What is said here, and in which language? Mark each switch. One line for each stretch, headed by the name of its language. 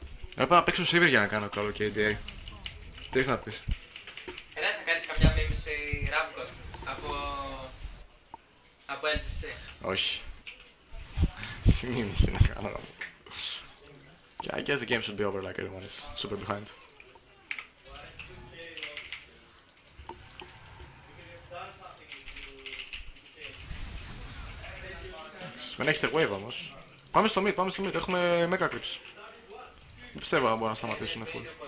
Greek: Έπρεπε να παίξω σίβερ για να κάνω καλό KDA. Τι έχεις να πεις. Ρε, θα κάνεις καμιά μίμηση Ramcon από... Από LGC. Όχι. Τι μήνυση είναι, κάνω να πω.
English: I guess the game should be over like everyone is super behind.
Greek: Δεν έχετε wave όμως. Πάμε στο mid, έχουμε mega clips. Δεν πιστεύω να μπορούν να σταματήσουν full.